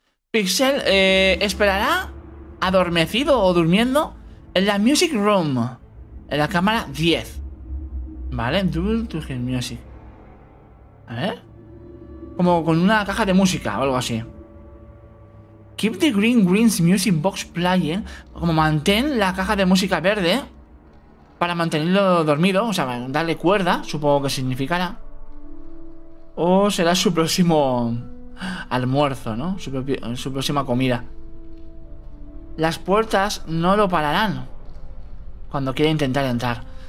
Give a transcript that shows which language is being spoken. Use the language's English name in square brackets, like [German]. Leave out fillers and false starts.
[Spanish] Pixel esperará adormecido o durmiendo en la Music Room, en la cámara 10. Vale, [English] Dual to Hear Music. [Spanish] A ver. Como con una caja de música o algo así. [English] Keep the green greens music box playing. [Spanish] Como mantén la caja de música verde para mantenerlo dormido. O sea, darle cuerda, supongo que significará. O será su próximo almuerzo, ¿no? Su próxima comida. Las puertas no lo pararán cuando quiera intentar entrar.